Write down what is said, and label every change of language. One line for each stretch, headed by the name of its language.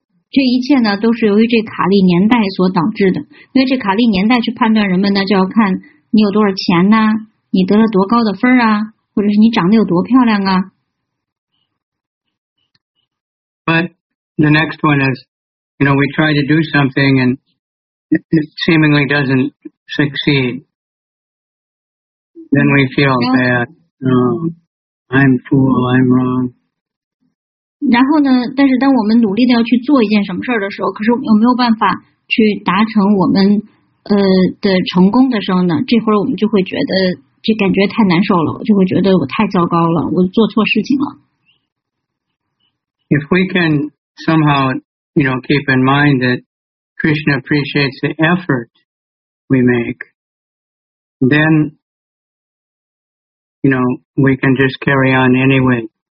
Chinese: 这一切呢都是由于这卡利年代所导致的。因为这卡利年代去判断人们呢就要看你有多少钱呢、啊、你得了多高的分啊或者是你长得有多漂亮啊。
English: But the next one is, you know, we try to do something and it seemingly doesn't succeed. Then we feel bad. Oh, I'm fool, I'm wrong.
Chinese: 然后呢但是当我们努力的要去做一件什么事儿的时候可是我们又没有办法去达成我们的成功的时候呢这会儿我们就会觉得这感觉太难受了我就会觉得我太糟糕了我做错事情了。
English: If we can somehow, you know, keep in mind that Krishna appreciates the effort we make, then, you know, we can just carry on anyway.